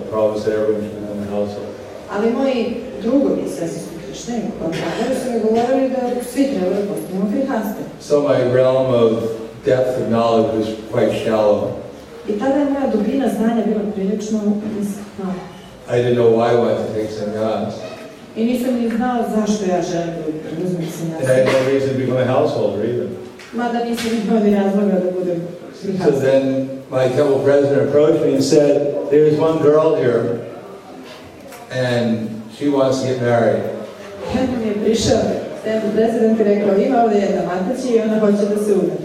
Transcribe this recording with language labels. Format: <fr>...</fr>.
<en>The Prabhupada said everyone should become a householder. So my realm of depth of knowledge was quite shallow.</en> <sr>I tada je moja dubina znanja bila prilično niska.</sr> <en>I didn't know why I wanted to take sannyas.</en> <sr>I nisam ni znao zašto ja želim da uzmem</sr> <en>sannyas. I had no reason to become a householder either.</en> <sr>Mada nisam imao ni razloga da budem prihastan.</sr> <en>So then my temple president approached me and said, there's one girl here and she wants to get married.</en> <sr>Kada mi je prišao, temple president je rekao, ima ovdje jedna matica i ona hoće da se uda.</sr>